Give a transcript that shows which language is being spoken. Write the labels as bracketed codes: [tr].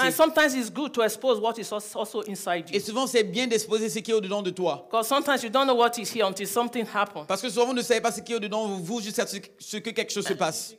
[en] And sometimes it's good to expose what is also inside you. [fr] Et souvent c'est bien d'exposer ce qui est au dedans de toi. [en] Because sometimes you don't know what is here until something happens. [fr] Parce que souvent vous ne savez pas ce qui est au dedans de vous jusqu'à ce que quelque chose se passe.